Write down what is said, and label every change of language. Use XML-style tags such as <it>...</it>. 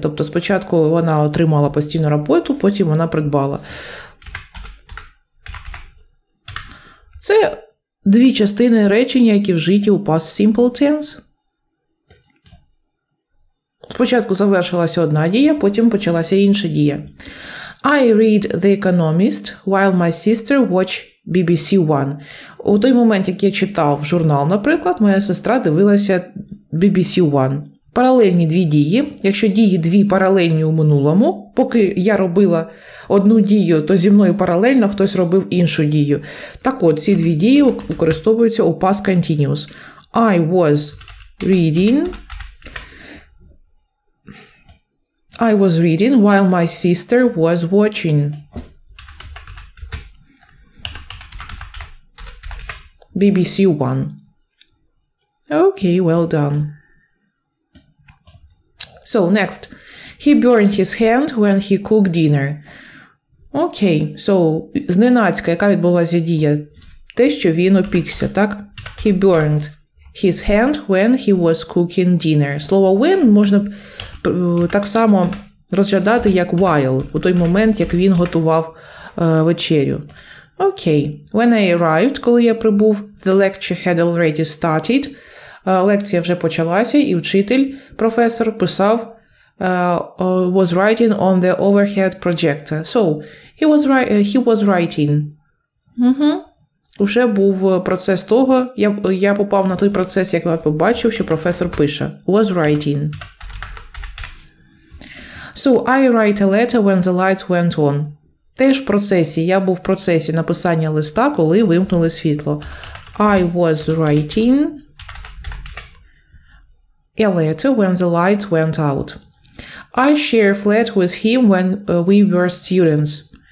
<uk>Тобто спочатку вона отримала постійну роботу, потім вона придбала. Це... Дві частини речення, які вжиті у past simple tense. Спочатку завершилася одна дія, потім почалася інша дія.</uk> <en>I read The Economist while my sister watched BBC One.</en> <uk>У той момент, як я читав журнал, наприклад, моя сестра дивилася BBC One. Паралельні дві дії. Якщо дії дві паралельні у минулому, поки я робила одну дію, то зі мною паралельно хтось робив іншу дію. Так от, ці дві дії використовуються у past continuous.</uk> <en>I was reading. I was reading while my sister was watching. BBC One. Okay, well done. So, next. He burned his hand when he cooked dinner.</en> <uk>Окей, so, зненацька, яка відбулася дія? Те, що він опікся, так?</uk> <en>He burned his hand when he was cooking dinner.</en> <uk>Слово when можна так само розглядати, як while, у той момент, як він готував вечерю.</uk> <en>Окей, when I arrived,</en> <uk>коли я прибув,</uk> <en>the lecture had already started.</en> <uk>Лекція вже почалася, і вчитель, професор, писав,</uk> <en>was writing on the overhead projector. So, he was writing. Mm-hmm.</en> <uk>Уже був процес того, я попав на той процес, як я побачив, що професор пише.</uk> <en>Was writing. So, I write a letter when the lights went on.</en> <uk>Теж в процесі, я був в процесі написання листа, коли вимкнули світло.</uk> <en>I was writing a letter when the lights went out. I share flat with him when we were students.</en>